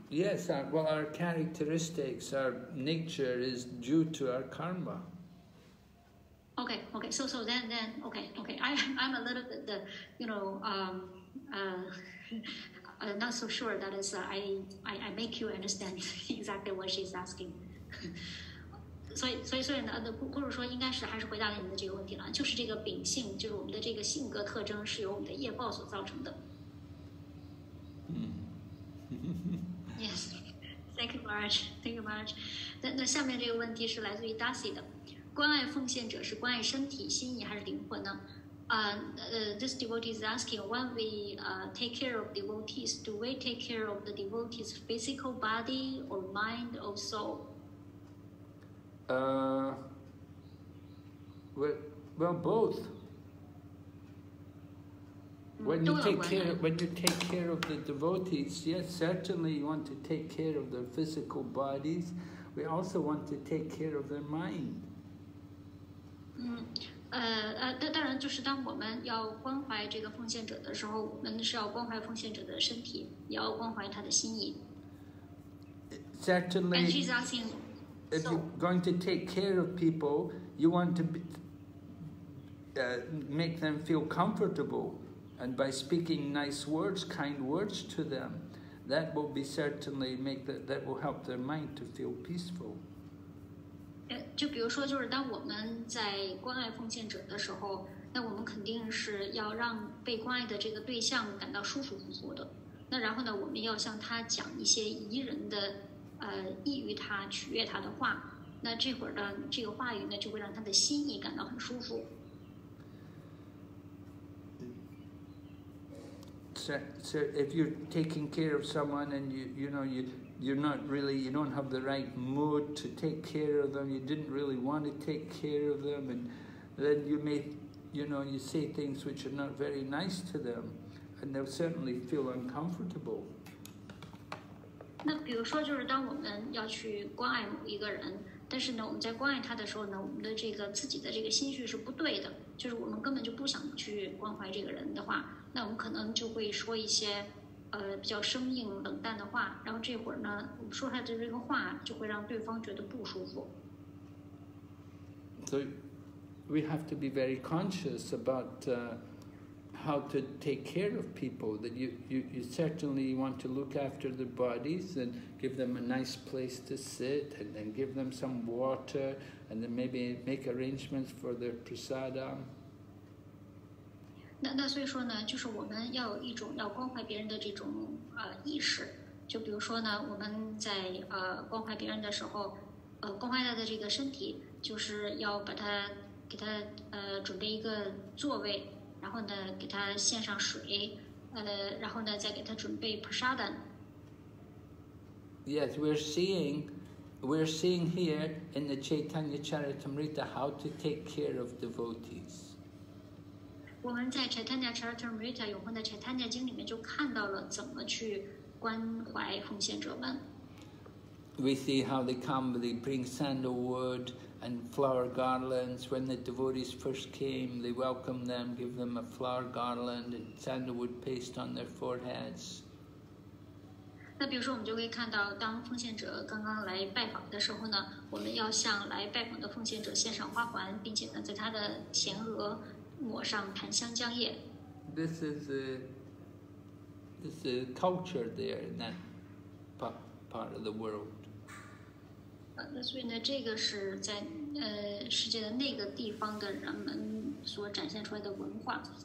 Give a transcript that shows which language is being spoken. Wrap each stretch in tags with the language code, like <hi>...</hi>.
<en>Yes, well, our characteristics, our nature is due to our karma. Okay, okay. So then okay, okay. I'm a little bit not so sure that is I make you understand exactly what she's asking.</en> <zh>所以说应该是还是回答了你的这个问题了，就是这个秉性，就是我们的这个性格特征是由我们的业报所造成的。嗯。</zh> <en>Yes. Thank you very much. Thank you very much.</en> <zh>那下面这个问题是来自于 Darcy 的，关爱奉献者是关爱身体、心意还是灵魂呢？</zh> <en>This devotee is asking, when we take care of devotees, do we take care of the devotee's physical body or mind or soul? Well, both. When you take care of the devotees, yes, certainly you want to take care of their physical bodies. We also want to take care of their mind.</en> <zh>当然就是当我们要关怀这个奉献者的时候，我们是要关怀奉献者的身体，也要关怀他的心意。</zh> <en>Certainly. And she's asking, if you're going to take care of people, you want to be, make them feel comfortable. And by speaking nice words, kind words to them, that will be certainly make that will help their mind to feel peaceful.</en> <zh>就比如说，就是当我们在关爱奉献者的时候，那我们肯定是要让被关爱的这个对象感到舒舒服服的。那然后呢，我们要向他讲一些宜人的，益于他、取悦他的话。那这会儿呢，这个话语呢，就会让他的心意感到很舒服。</zh> <en>So if you're taking care of someone and you're not really, you don't have the right mood to take care of them, you didn't really want to take care of them, and then you may, you say things which are not very nice to them, and they'll certainly feel uncomfortable.</en> <zh>那比如说就是当我们要去关爱某一个人，但是呢，我们在关爱他的时候呢，我们的这个自己的这个心绪是不对的，就是我们根本就不想去关怀这个人的话，那我们可能就会说一些比较生硬冷淡的话，然后这会儿呢，我们说出来的这个话就会让对方觉得不舒服。</zh> <en>So we have to be very conscious about how to take care of people. That you certainly want to look after their bodies and give them a nice place to sit, and then give them some water, and then maybe make arrangements for their prasada.</en> <zh>那所以说呢，就是我们要有一种要关怀别人的这种意识。就比如说呢，我们在关怀别人的时候，关怀他的这个身体，就是要把他给他准备一个座位，然后呢给他献上水，然后呢再给他准备 prasada。</zh> <en>Yes, we're seeing here in the Chaitanya Charitamrita how to take care of devotees.</en> <zh>我们在 Chaitanya Charitamrita 永恒的 Chaitanya 经里面就看到了怎么去关怀奉献者们。</zh> <en>We see how they come, they bring sandalwood and flower garlands. When the devotees first came, they welcome them, give them a flower garland and sandalwood paste on their foreheads.</en> <zh>那比如说我们就会看到当奉献者刚刚来拜访的时候呢，我们要向来拜访的奉献者献上花环，并且呢在他的前额抹上檀香浆液。</zh> <en>This is culture there in that part of the world.</en> <zh>那所以呢，这个是在世界的那个地方的人们所展现出来的文化。</zh>